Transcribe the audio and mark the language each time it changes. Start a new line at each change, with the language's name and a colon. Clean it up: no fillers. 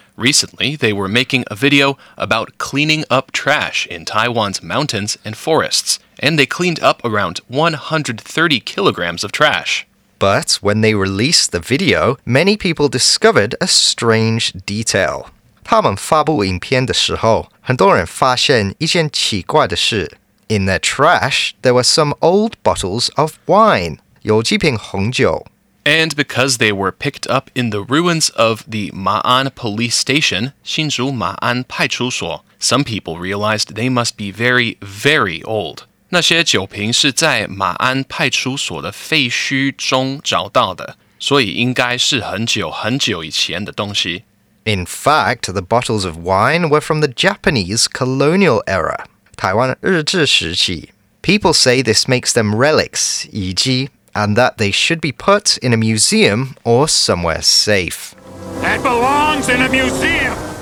English: Recently, they were making a video about cleaning up trash in Taiwan's mountains and forests, and they cleaned up around 130 kilograms of trash. But when they released the video, many people discovered a strange detail.
Chinese: 他们发布影片的时候，很多人发现一件奇怪的事。
English: In their trash, there were some old bottles of wine,
Chinese: 有几瓶红酒。
English: And because they were picked up in the ruins of the Ma'an police station, 新竹马安派出所, some people realized they must be very, very old.
Chinese: 那些酒瓶是在马鞍派出所的废墟中找到的，所以应该是很久很久以前的东西。
English: In fact, the bottles of wine were from the Japanese colonial era,
Chinese: 台湾日治时期。
English: People say this makes them relics, 遗迹, and that they should be put in a museum or somewhere safe. That belongs in a museum!